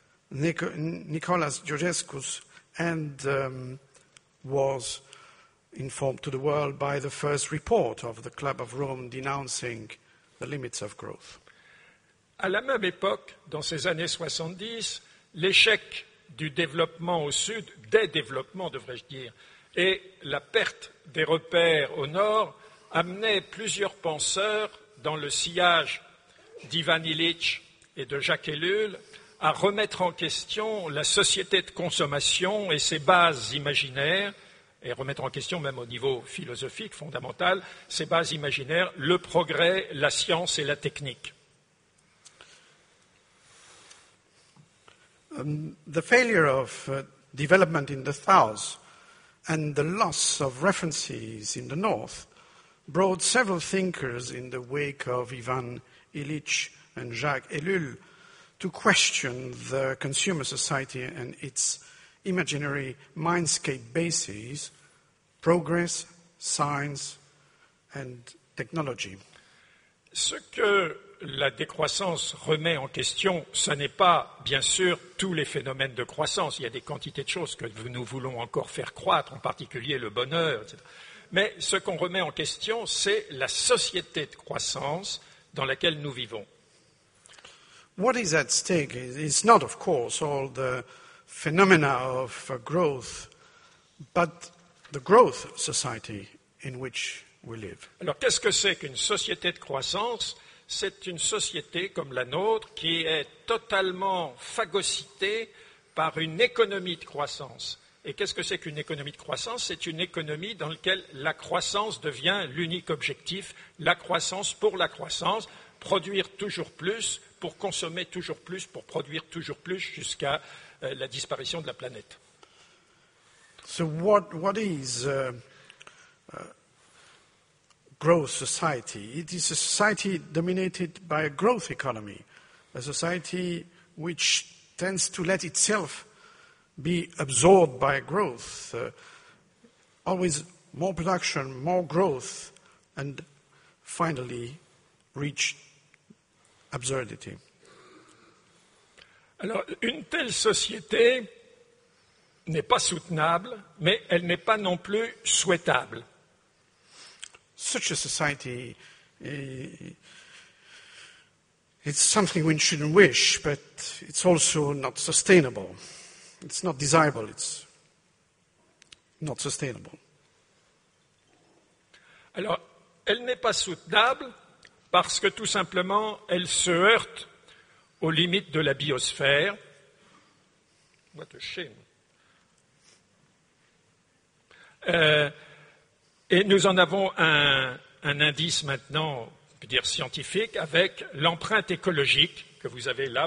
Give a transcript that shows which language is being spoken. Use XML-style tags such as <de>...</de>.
<en>Nicolas Georgescu, and was informed to the world by the first report of the Club of Rome denouncing the limits of growth.</en> <fr>À la même époque, dans ces années 70, l'échec du développement au sud, des développements devrais-je dire, et la perte des repères au nord amenaient plusieurs penseurs dans le sillage d'Ivan Illich et de Jacques Ellul à remettre en question la société de consommation et ses bases imaginaires, et remettre en question même au niveau philosophique fondamental, ses bases imaginaires, le progrès, la science et la technique.</fr> <en>The failure of development in the south and the loss of references in the north brought several thinkers in the wake of Ivan Illich and Jacques Ellul to question the consumer society and its imaginary mindscape bases, progress, science and technology.</en> <fr>Ce que la décroissance remet en question, ce n'est pas, bien sûr, tous les phénomènes de croissance. Il y a des quantités de choses que nous voulons encore faire croître, en particulier le bonheur, etc. Mais ce qu'on remet en question, c'est la société de croissance dans laquelle nous vivons.</fr> <en>What is at stake is not, of course, all the phenomena of growth, but the growth society in which we live.</en> <fr>Alors, qu'est-ce que c'est qu'une société de croissance? C'est une société comme la nôtre qui est totalement phagocytée par une économie de croissance. Et qu'est-ce que c'est qu'une économie de croissance? C'est une économie dans laquelle la croissance devient l'unique objectif, la croissance pour la croissance, produire toujours plus pour consommer toujours plus, pour produire toujours plus jusqu'à la disparition de la planète.</fr> <en>So what is growth society? It is a society dominated by a growth economy, a society which tends to let itself be absorbed by growth, always more production, more growth, and finally reach absurdity.</en> <fr>Alors, une telle société n'est pas soutenable, mais elle n'est pas non plus souhaitable.</fr> <en>Such a society, it's something we shouldn't wish, but it's also not sustainable. It's not desirable, it's not sustainable.</en> <fr>Alors, elle n'est pas soutenable parce que tout simplement, elle se heurte aux limites de la biosphère.</fr> <en>What a shame.</en> <fr>Et nous en avons un indice maintenant, on peut dire scientifique, avec l'empreinte écologique que vous avez là.</fr>